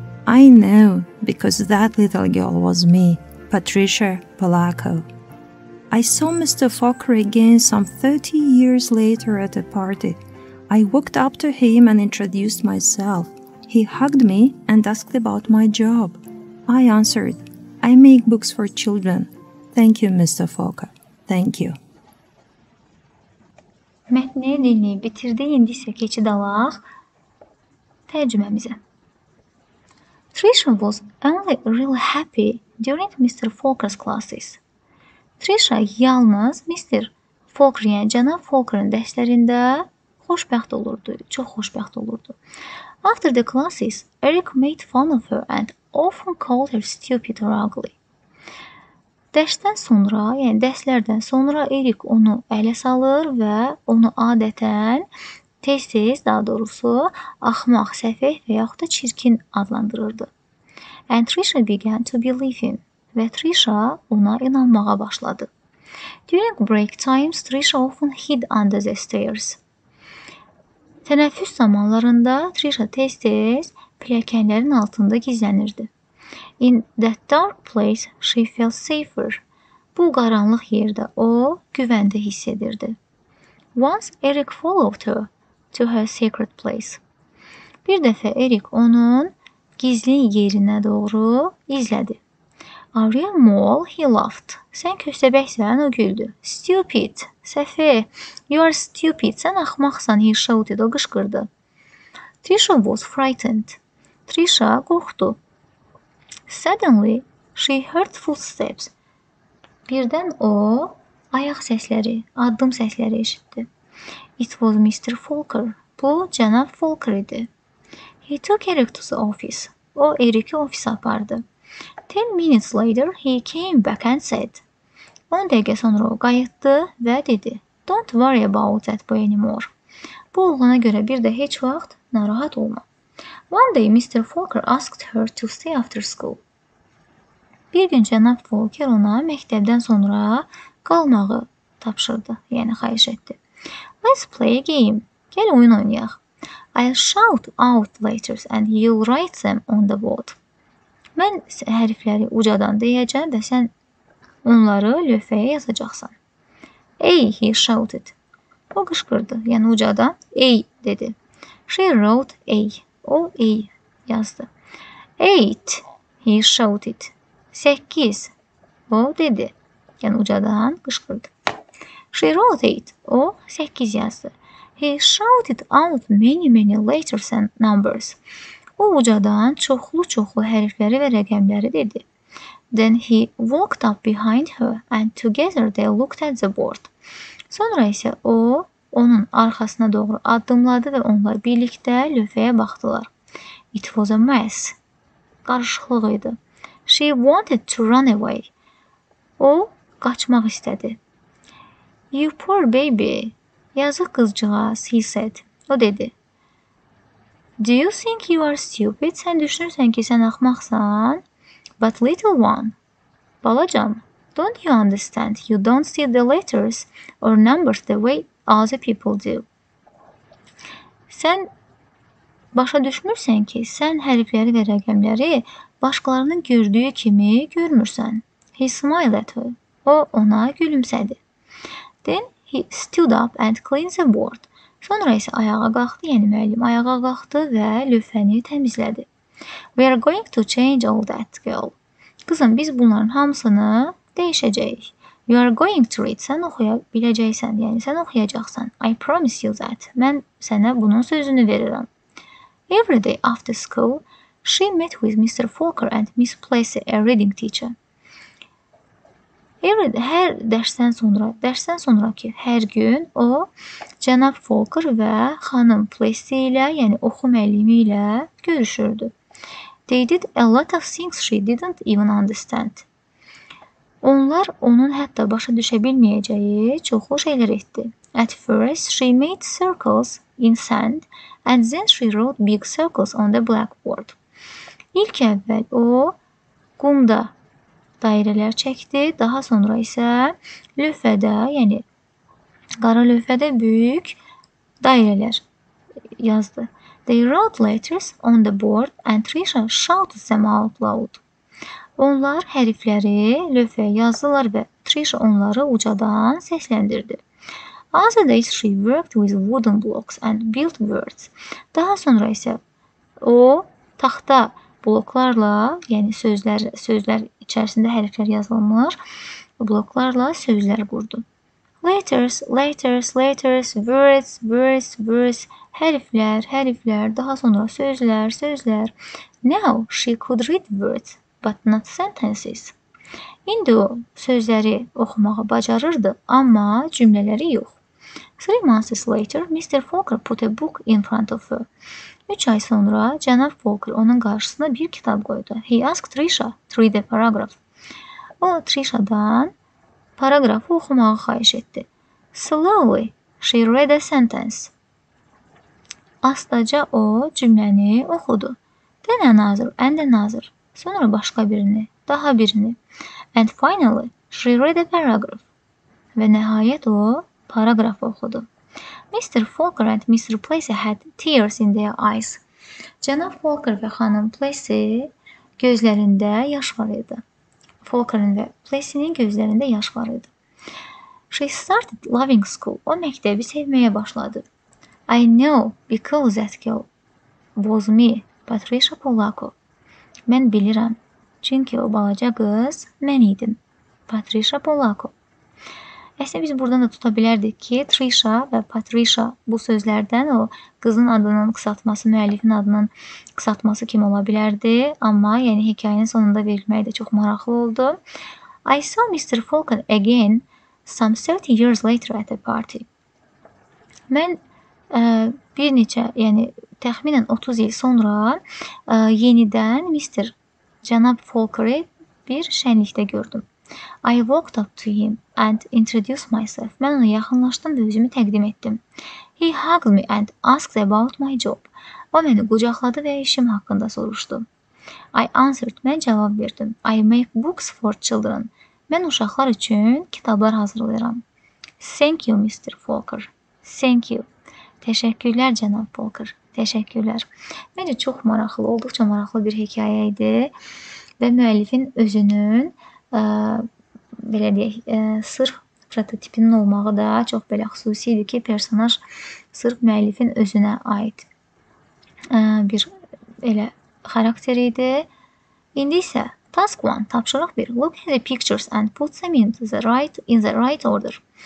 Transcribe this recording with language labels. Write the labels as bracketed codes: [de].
[en] "I know, because that little girl was me, Patricia Polakov." I saw Mr. Folker again some 30 years later at a party. I walked up to him and introduced myself. He hugged me and asked about my job. I answered, "I make books for children." "Thank you, Mr. Folker. Thank you." [az] Mətni dinləyib bitirdi, indi isə keçid alaq tərcüməmizə. [en] Trisha was only really happy during Mr. Folker's classes. [az] Trisha yalnız Mr. Folker, yəni cənab Folker'ın dərslərində xoşbəxt olurdu, çox xoşbəxt olurdu. [en] After the classes, Eric made fun of her and often called her stupid or ugly. [az] Dərsdən sonra, yəni dərslərdən sonra Eric onu ələ salır və onu adətən tez-tez, daha doğrusu, axmaq, səfeh və yaxud da çirkin adlandırırdı. [en] And Trisha began to believe him [az] və Trisha ona inanmağa başladı. [en] During break times, Trisha often hid under the stairs. [az] Tənəffüs zamanlarında Trisha tez-tez pilləkənlərin altında gizlənirdi. [en] In that dark place, she felt safer. [az] Bu qaranlıq yerdə o, güvəndə hiss edirdi. [en] Once Eric followed her to her secret place. [az] Bir dəfə Eric onun gizli yerinə doğru izlədi. [en] A real mole, he laughed. [az] Sən köstəbəksən, o güldü. Stupid, səfi. [en] You are stupid, [az] sən axmaqsan, [en] he shouted, [az] o qışqırdı. [en] Trisha was frightened. [az] Trisha qorxdu. [en] Suddenly, she heard footsteps. [az] Birdən o, ayaq səsləri, addım səsləri eşitdi. [en] It was Mr. Folker. [az] Bu, cənab Folker idi. [en] He took Eric to the office. [az] O, Eric'i ofisə apardı. [en] 10 minutes later, he came back and said. [az] 10 dəqiqə sonra o qayıtdı və dedi. [en] Don't worry about that boy anymore. [az] Bu oğlana görə bir də heç vaxt narahat olma. [en] One day, Mr. Folker asked her to stay after school. [az] Bir gün cənab Folker ona məktəbdən sonra qalmağı tapşırdı, yəni xahiş etdi. [en] Let's play a game. [az] Gəl oyun oynayaq. [en] I'll shout out letters and you'll write them on the board. [az] Mən hərfləri ucadan deyəcəm və sən onları lövhəyə yazacaqsan. Ey, [en] he shouted. [az] O qışqırdı, yəni ucadan ey dedi. [en] She wrote ey. [az] O ey yazdı. [en] Eight, he shouted. [az] 8, o dedi. Yəni ucadan qışqırdı. [en] She wrote eight. [az] O 8 yazdı. [en] He shouted out many, many letters and numbers. [az] O ucadan çoxlu-çoxlu hərfləri və rəqəmləri dedi. [en] Then he walked up behind her and together they looked at the board. [az] Sonra isə o, onun arxasına doğru addımladı və onlar birlikdə lövhəyə baxdılar. [en] It was a mess. [az] Qarışıqlıq idi. [en] She wanted to run away. [az] O, qaçmaq istədi. [en] You poor baby. [az] Yazıq qızcığaz, [en] he said. [az] O dedi. [en] Do you think you are stupid? [az] Sən düşünürsən ki, sən axmaqsan. [en] But little one, balacam, don't you understand? You don't see the letters or numbers the way other people do. [az] Sən başa düşmürsən ki, sən hərfləri və rəqəmləri başqalarının gördüyü kimi görmürsən. [en] He smiled at her. [az] O, ona gülümsədi. [en] Then he stood up and cleaned the board. [az] Sonra isə ayağa qalxdı, yəni müəllim ayağa qalxdı və lövhəni təmizlədi. [en] We are going to change all that, girl. [az] Qızım, biz bunların hamısını dəyişəcəyik. [en] You are going to read, [az] sən oxuya biləcəksən, yəni sən oxuyacaqsan. [en] I promise you that, [az] mən sənə bunun sözünü verirəm. [en] Every day after school, she met with Mr. Folker and Miss Plessy, a reading teacher. [az] Hər dərsdən sonra ki, hər gün o, cənab Folker və xanım Plessy ilə, yəni oxu müəllimi ilə görüşürdü. [en] They did a lot of things she didn't even understand. [az] Onlar onun hətta başa düşə bilməyəcəyi çoxlu şeylər etdi. [en] At first, she made circles in sand and then she wrote big circles on the blackboard. [az] İlk əvvəl o, qumda dairələr çəkdi, daha sonra isə lövhədə, yəni qara lövhədə böyük dairələr yazdı. [en] They wrote letters on the board and Trisha shouted them out loud. [az] Onlar hərfləri lövhəyə yazdılar və Trisha onları ucadan səsləndirdi. [en] Other days she worked with wooden blocks and built words. [az] Daha sonra isə o taxta bloklarla, yəni sözlər içərisində hərflər yazılmış bloklarla sözlər qurdu. [en] Letters, letters, letters, words, words, words, [az] hərflər, hərflər, daha sonra sözlər, sözlər. [en] Now she could read words, but not sentences. [az] İndi o sözləri oxumağı bacarırdı, amma cümlələri yox. [en] 3 months later, Mr. Folker put a book in front of her. [az] 3 ay sonra cənab Folker onun qarşısına bir kitab qoydu. [en] He asked Trisha to read a paragraph. [az] O, Trisha'dan paragrafı oxumağı xahiş etdi. [en] Slowly, she read a sentence. [az] Astaca o cümləni oxudu. [en] Then another and another. [az] Sonra başqa birini, daha birini. [en] And finally, she read a paragraph. [az] Və nəhayət o paragrafı oxudu. [en] Mr. Folker and Mr. Plessy had tears in their eyes. [az] Cənab Folker və xanım Plessy gözlərində yaş var idi. Folker'ın və Plessy'nin gözlərində yaş var idi. [en] She started loving school. [az] O məktəbi sevməyə başladı. [en] I know because that girl was me, Patricia Polakova. [az] Mən bilirəm. Çünki o balaca qız mən idim. Patricia Polakov. Əslində biz buradan da tuta bilərdik ki, Trisha və Patricia bu sözlərdən o qızın adının qısaltması, müəllifin adının qısaltması kim ola bilərdi. Amma yəni hekayənin sonunda verilməyi də çox maraqlı oldu. [en] I saw Mr. Falcon again some 30 years later at a party. [az] Mən bir neçə, yəni təxminən 30 il sonra yenidən Mr. Cənab Falcon'ı bir şənlikdə gördüm. [en] I walked up to him and introduced myself. [az] Mən ona yaxınlaşdım və özümü təqdim etdim. [en] He hugged me and asked about my job. [az] O məni qucaqladı və işim haqqında soruşdu. [en] I answered. [az] Mən cavab verdim. [en] I make books for children. [az] Mən uşaqlar üçün kitablar hazırlayıram. [en] Thank you, Mr. Falcon. Thank you. [az] Təşəkkürlər, cənab Falcon. Təşəkkürlər. Məncə çox maraqlı, olduqca maraqlı bir hekayə idi və müəllifin özünün belə deyək, sırf prototipinin olmağı da çox belə xüsusi idi ki, personaj sırf müəllifin özünə aid bir elə xarakter idi. İndi isə task 1, tapşırıq 1. [en] Look at the pictures and put them in the right order.